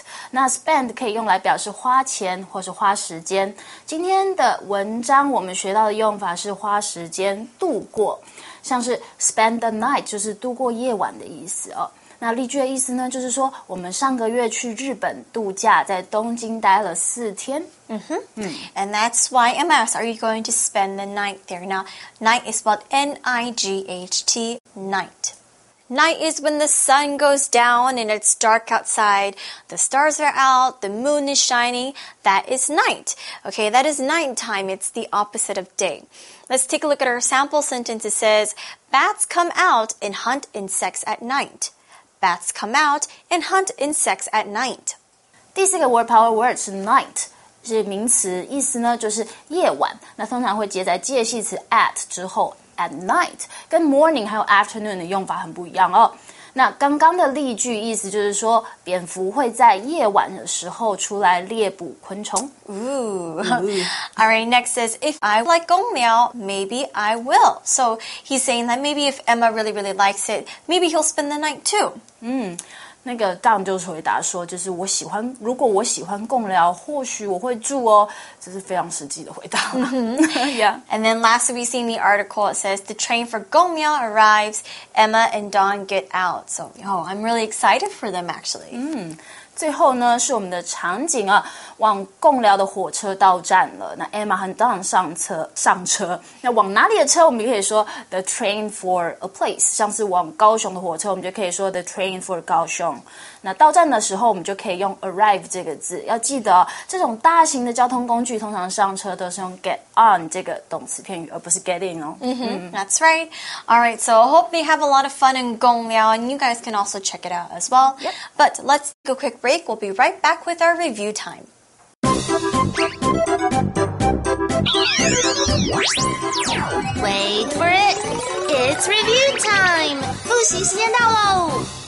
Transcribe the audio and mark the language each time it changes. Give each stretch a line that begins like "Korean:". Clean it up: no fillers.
Chinese: 那 spend 可以用来表示花钱或是花时间。今天的文章我们学到的用法是花时间度过，像是 spend the night 就是度过夜晚的意思哦。那例句的意思呢，就是说我们上个月去日本度假，在东京待了4天。
English: And that's why I'm asked, are you going to spend the night there? Now, night is spelled N-I-G-H-T, night. Night is when the sun goes down and it's dark outside. The stars are out, the moon is shining. That is night. Okay, that is nighttime. It's the opposite of day. Let's take a look at our sample sentence. It says, bats come out and hunt insects at night. Bats come out and hunt insects at night.
Chinese: 第四个 word power word 是 night. 是名词，意思呢就是夜晚，那通常会接在介系词 at 之后， at night 跟 morning 还有 afternoon 的用法很不一样哦。那刚刚的例句意思就是说蝙蝠会在夜晚的时候出来猎捕昆虫。
English: Alright, next is, if I like Gongliao, maybe I will. So he's saying that maybe if Emma really really likes it, maybe he'll spend the night too.
Chinese: 那个 Don 就回答说，就是我喜欢，如果我喜欢共聊，或许我会住哦。这是非常实际的回答。
English: Yeah. And then last we seen the article, it says the train for Gongliao arrives, Emma and Don get out. So, oh, I'm really excited for them actually.
Chinese: 最后呢是我们的场景啊，往共聊的火车到站了，那 Emma 和 Don 上车。那往哪里的车我们可以说 the train for a place，像是往高雄的火车我们就可以说 the train for 高雄。那到站的时候我们就可以用 arrive 这个字，要记得、这种大型的交通工具通常上车都是用 get on 这个动词片语，而不是 get in 哦。
English: That's right. Alright, so I hope they have a lot of fun in Gongliao and you guys can also check it out as well. Yep. But let's take a quick break. We'll be right back with our review time. Wait for it. It's review time. 复习时间到喽。